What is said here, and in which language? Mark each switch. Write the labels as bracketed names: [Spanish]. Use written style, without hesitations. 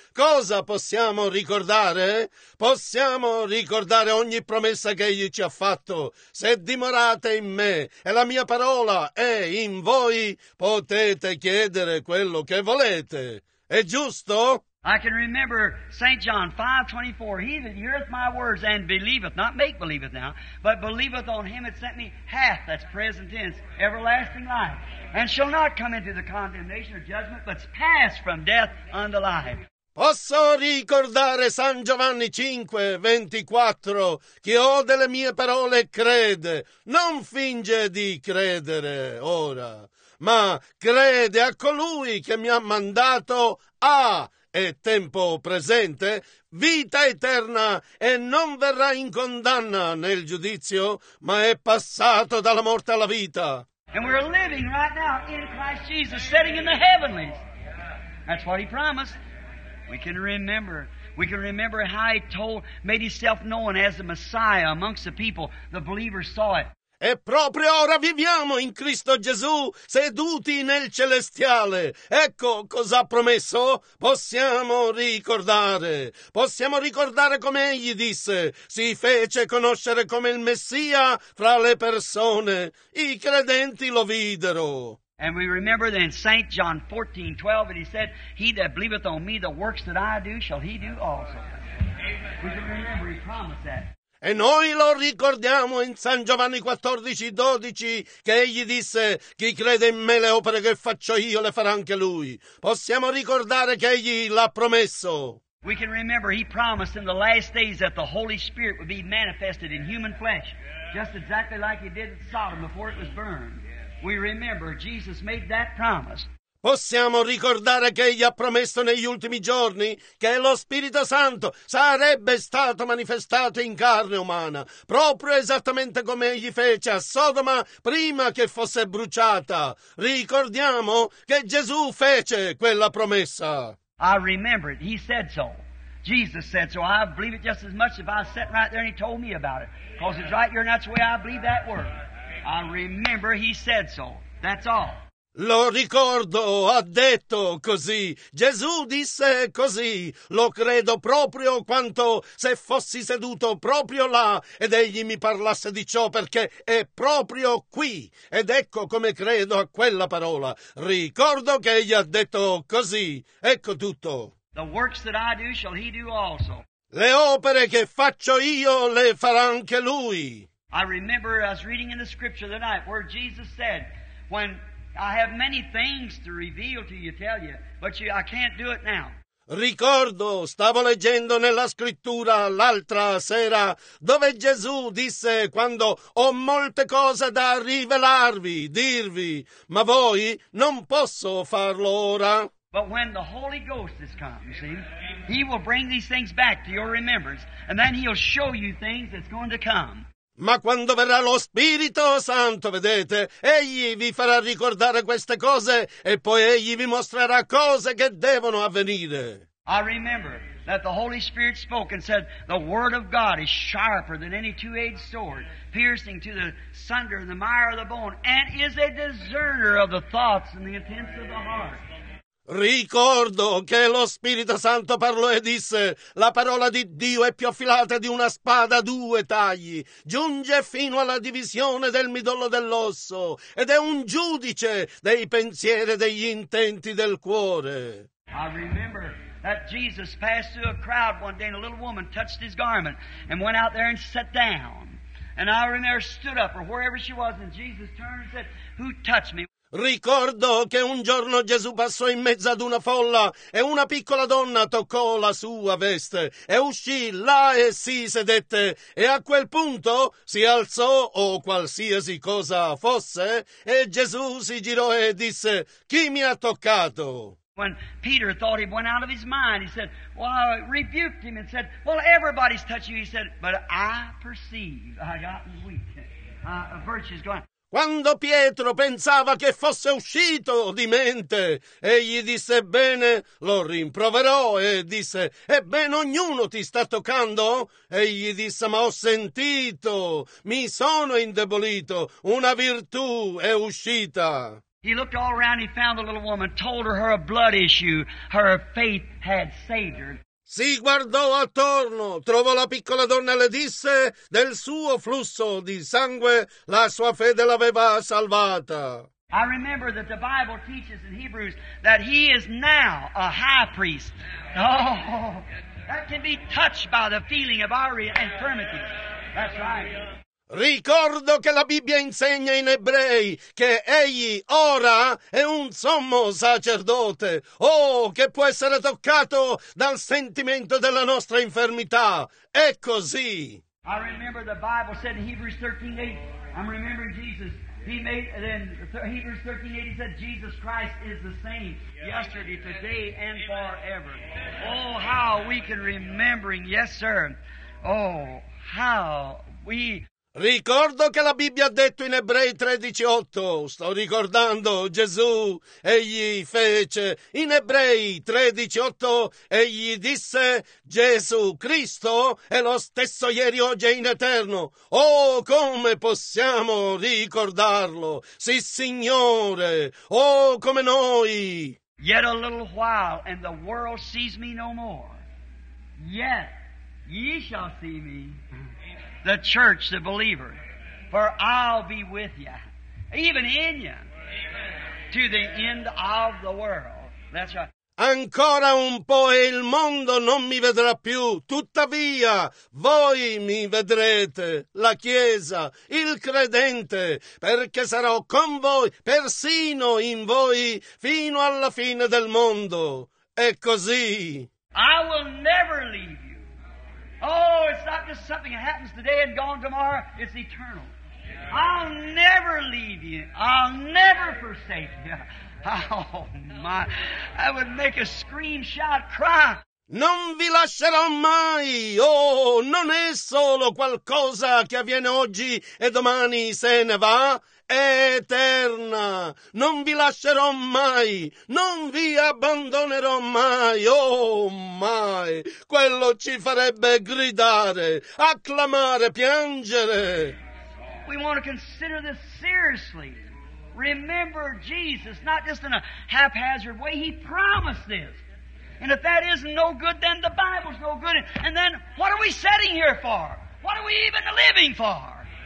[Italian] Cosa possiamo ricordare? Possiamo ricordare ogni promessa che Egli ci ha fatto. Se dimorate in me e la mia parola è in voi, potete chiedere quello che volete. È giusto? [English] I can remember St. John 5:24. He that heareth my words and believeth, not make believeth now, but believeth on him that sent me, hath, that's present tense, everlasting life, and shall not come into the condemnation or judgment, but pass from death unto life. [Italian] Posso ricordare San Giovanni 5:24. Chi ode le mie parole crede, non finge di credere ora, ma crede a colui che mi ha mandato a... È tempo presente, vita eterna, e non verrà in condanna nel giudizio, ma è passato dalla morte alla vita. [English] And we're living right now in Christ Jesus, sitting in the heavenlies. That's what he promised. We can remember. We can remember how he told, made himself known as the Messiah amongst the people. The believers saw it. [Italian] E proprio ora viviamo in Cristo Gesù, seduti nel celestiale. Ecco cosa ha promesso. Possiamo ricordare. Possiamo ricordare come Egli disse. Si fece conoscere come il Messia fra le persone. I credenti lo videro. [English] And we remember then St. John 14:12, and he said, he that believeth on me, the works that I do, shall he do also. We can remember, he promised that. [Italian] E noi lo ricordiamo in San Giovanni 14:12, che egli disse, chi crede in me le opere che faccio io le farà anche lui. Possiamo ricordare che egli l'ha promesso. [English] We can remember he promised in the last days that the Holy Spirit would be manifested in human flesh, just exactly like he did in Sodom before it was burned. We remember Jesus made that promise. [Italian] Possiamo ricordare che Egli ha promesso negli ultimi giorni che lo Spirito Santo sarebbe stato manifestato in carne umana, proprio esattamente come Egli fece a Sodoma prima che fosse bruciata. Ricordiamo che Gesù fece quella promessa. [English] I remember it. He said so. Jesus said so. I believe it just as much if I was sitting right there and he told me about it. Because it's right here and that's the way I believe that word. I remember he said so. That's all. [Italian] Lo ricordo, ha detto così. Gesù disse così. Lo credo proprio quanto se fossi seduto proprio là ed egli mi parlasse di ciò, perché è proprio qui. Ed ecco come credo a quella parola. Ricordo che egli ha detto così. Ecco tutto. [English] The works that I do shall he do also. [Italian] Le opere che faccio io le farà anche lui. [English] I remember I was reading in the scripture the night where Jesus said, when I have many things to reveal to you, tell you, but you, I can't do it now. [Italian] Ricordo, stavo leggendo nella scrittura l'altra sera, dove Gesù disse, quando ho molte cose da rivelarvi, dirvi, ma voi non posso farlo ora. [English] But when the Holy Ghost has come, you see, he will bring these things back to your remembrance, and then he'll show you things that's going to come. [Italian] Ma quando verrà lo Spirito Santo, vedete, egli vi farà ricordare queste cose e poi egli vi mostrerà cose che devono avvenire. [English] I remember that the Holy Spirit spoke and said, the word of God is sharper than any two-edged sword, piercing to the sunder and the mire of the bone, and is a discerner of the thoughts and the intents of the heart. [Italian] Ricordo che lo Spirito Santo parlò e disse, la parola di Dio è più affilata di una spada a due tagli, giunge fino alla divisione del midollo dell'osso ed è un giudice dei pensieri e degli intenti del cuore. [English] I remember that Jesus passed through a crowd one day and a little woman touched his garment and went out there and sat down. And I remember stood up or wherever she was and Jesus turned and said, who touched me? [Italian] Ricordo che un giorno Gesù passò in mezzo ad una folla e una piccola donna toccò la sua veste e uscì là e si sedette e a quel punto si alzò o qualsiasi cosa fosse e Gesù si girò e disse, chi mi ha toccato? [English] When Peter thought he went out of his mind, he said, well, I rebuked him and said, well, everybody's touching you. He said, but I perceive I got weak. A virtue is gone. [Italian] Quando Pietro pensava che fosse uscito di mente, egli disse: «Bene, lo rimproverò», e disse: «Ebbene, ognuno ti sta toccando?» Egli disse: «Ma ho sentito, mi sono indebolito, una virtù è uscita». [English] He looked all around, he found the little woman, told her her blood issue, her faith had saved her. [Italian] Si guardò attorno, trovò la piccola donna e le disse del suo flusso di sangue la sua fede l'aveva salvata. [English] I remember that the Bible teaches in Hebrews that he is now a high priest. Oh, that can be touched by the feeling of our infirmity. That's right. [Italian] Ricordo che la Bibbia insegna in Ebrei che egli ora è un sommo sacerdote, oh, che può essere toccato dal sentimento della nostra infermità. È così. [English] I remember the Bible said in Hebrews 13:8. I'm remembering Jesus. Hebrews 13:8 said Jesus Christ is the same yesterday, today, and forever. Oh, how we can remembering, yes, sir. Oh, how we. [Italian] Ricordo che la Bibbia ha detto in Ebrei 13:8, sto ricordando Gesù, egli fece, in Ebrei 13:8, egli disse: Gesù Cristo è lo stesso ieri, oggi e in eterno. Oh, come possiamo ricordarlo, sì Signore, oh come noi. [English] Yet a little while and the world sees me no more, yet ye shall see me. The church, the believer, for I'll be with you, even in you, to the end of the world. That's right. [Italian] Ancora un po' e il mondo non mi vedrà più, tuttavia voi mi vedrete, la Chiesa, il credente, perché sarò con voi, persino in voi, fino alla fine del mondo. È così. [English] I will never leave. Oh, it's not just something that happens today and gone tomorrow. It's eternal. I'll never leave you. I'll never forsake you. Oh, my. I would make a scream, shout, cry. [Italian] Non vi lascerò mai. Oh, non è solo qualcosa che avviene oggi e domani se ne va. È eterna. Non vi lascerò mai. Non vi abbandonerò mai. Oh, mai. Quello ci farebbe gridare, acclamare, piangere. [English] We want to consider this seriously. Remember Jesus, not just in a haphazard way. He promised this. And if that is no good, then the Bible's no good. And then what are we sitting here for? What are we even living for?